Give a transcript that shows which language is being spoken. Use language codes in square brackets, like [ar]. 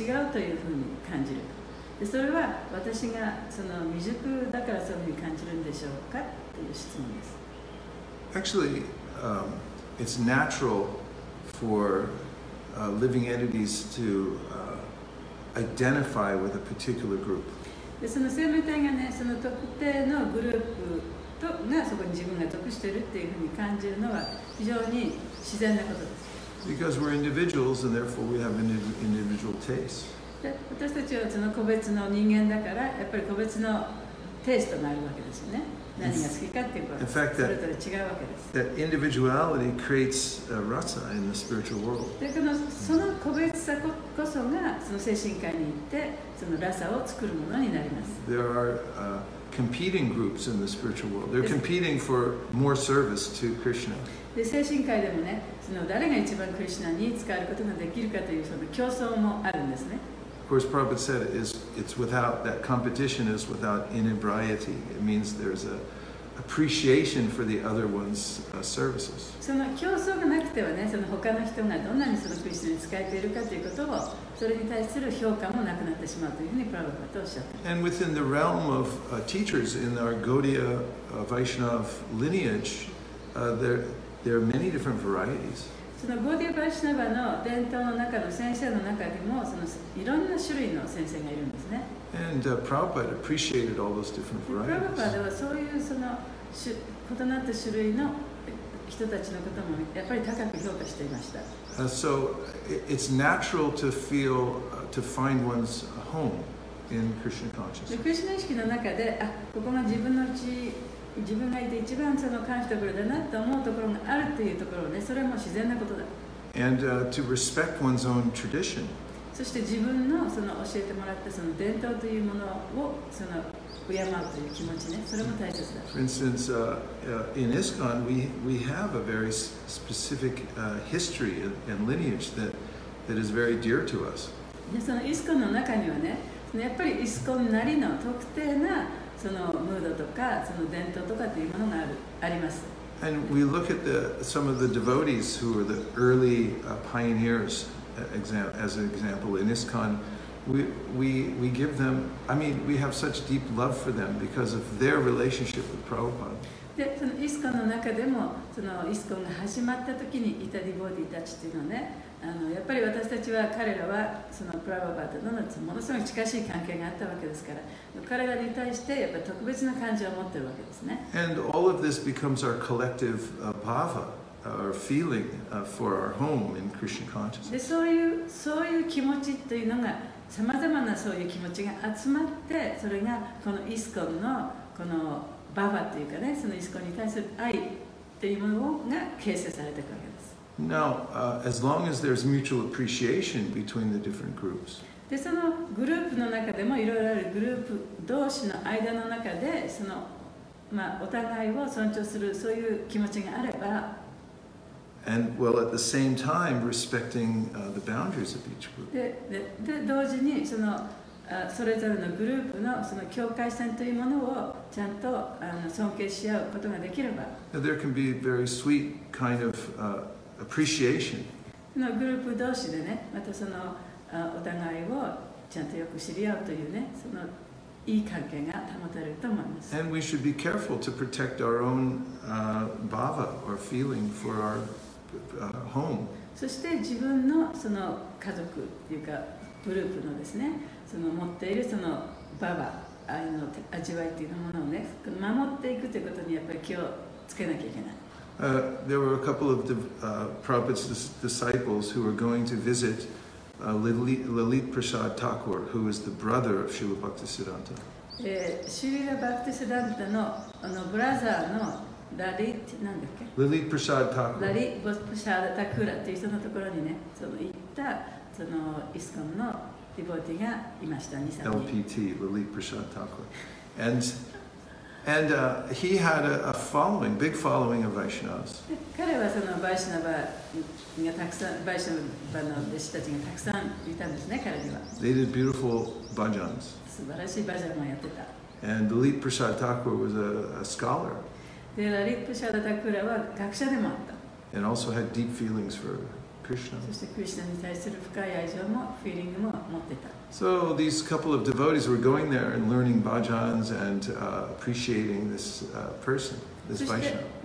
[ja] それは私がその未熟だからそういうふうに感じるんでしょうかという質問です。 [en] Actually, it's natural for living entities to identify with a particular group. [ja] その生命体がね、その特定のグループがそこに自分が属してるっていうふうに感じるのは非常に自然なことです。 [en] Because we're individuals and therefore we have an individual taste. [ja] 私たちはその個別の人間だから、やっぱり個別のテイストがあるわけですよね。 [en] In fact, that individuality creates a rasa in the spiritual world. There are competing groups in the spiritual world. They're competing for more service to Krishna. [ja] で精神界でもね、その誰が一番クリシュナに使われることができるかというその競争もあるんですね。 [en] Of course, Prabhupada said it's without that competition is without inebriety. It means there's a appreciation for the other one's services. [ja] その競争がなくてはね、その他の人がどんなにそのクリシュナに使えているかということを、それに対する評価もなくなってしまうというふうにプラブパッドおっしゃっています。 [en] And within the realm of teachers in our Gaudiya Vaishnav lineage, there are many different varieties. [ja] そのゴーディア・バイシナバの伝統の中の先生の中にも、そのいろんな種類の先生がいるんですね。 [en] And Prabhupada appreciated all those different varieties. [ja] Prabhupada はそういうその異なった種類の人たちのこともやっぱり高く評価していました。 [en] So it's natural to feel to find one's home in Krishna consciousness. [ja] で、クリシュナ意識の中で、あ、ここが自分のうち、自分がいて一番その感じたところだなと思うところがあるっていうところね、それも自然なことだ。 [en] And to respect one's own tradition. [ja] そして自分のその教えてもらったその伝統というものをその敬うという気持ちね、それも大切だ。 [en] For instance, in ISKCON, we have a very specific history and lineage that is very dear to us. [ja] で、その ISKCON の中にはね、そのやっぱり ISKCON なりの特定なそのムードとかその伝統とかというものがあります。 [en] And we look at some of the devotees who were the early pioneers. As an example, in ISKCON, we give them. I mean, we have such deep love for them because of their relationship with Prabhupada. [ja] で、その ISKCON の中でも、そのISKCONが始まった時にいたディボディたちっていうのはね、あのやっぱり私たちは彼らはそのプラヴァパーダのものすごい近しい関係があったわけですから、彼らに対してやっぱり特別な感情を持ってるわけですね。 [en] And all of this becomes our collective bhava. Our feeling for our home in Krishna consciousness. [ja] そういう気持ちというのが、さまざまなそういう気持ちが集まって、それがこのISKCONのこのBhavaというかね、そのISKCONに対する愛というものが形成されていくわけです。 [en] Now, as long as there's mutual appreciation between the different groups. [ja] で、そのグループの中でもいろいろあるグループ同士の間の中で、そのまあお互いを尊重するそういう気持ちがあれば。 [en] And well, at the same time, respecting the boundaries of each group. [ja] で同時にそのそれぞれのグループのその境界線というものをちゃんと尊敬し合うことができれば、 [en] there can be very sweet kind of appreciation. [ja] そのグループ同士でね、またそのお互いをちゃんとよく知り合うというね、そのいい関係が保たれると思います。 [en] And we should be careful to protect our own bhava or feeling for our home. [ja] そして自分のその家族というかグループのですね、その持っているそのbhava、愛の味わいというものをね、守っていくということにやっぱり気をつけなきゃいけない。 [en] There were a couple of Prabhupada's disciples who were going to visit. Lalit Prasad Thakur, who is the brother of Srila Bhaktisiddhanta. [ja] Srila Bhaktisiddhanta の brother の Lalit, 何だっけ? [en] Lalit Prasad Thakur. [ja] Lalit Prasad Thakur っていう人のところにね、その行ったそのISKCONのディボーティがいました、2、3人。 [en] LPT, Lalit Prasad Thakur. And he had a following, big following of Vaishnavas. [ja] 彼はそのバイシナバがたくさん、バイシナバの弟子たちがたくさんいたんですね、彼には。 [en] They did beautiful bhajans. [ja] 素晴らしいバジャンをやってた。 [en] And Lalit Prasad Thakur was a scholar. [ja] で、Lalit Prasad Thakur は学者でもあった。 [en] And also had deep feelings for Krishna. [ja] そしてクリシナに対する深い愛情も、フィーリングも持ってた。 [en] So these couple of devotees were going there and learning bhajans and appreciating this person, this Vaishnava.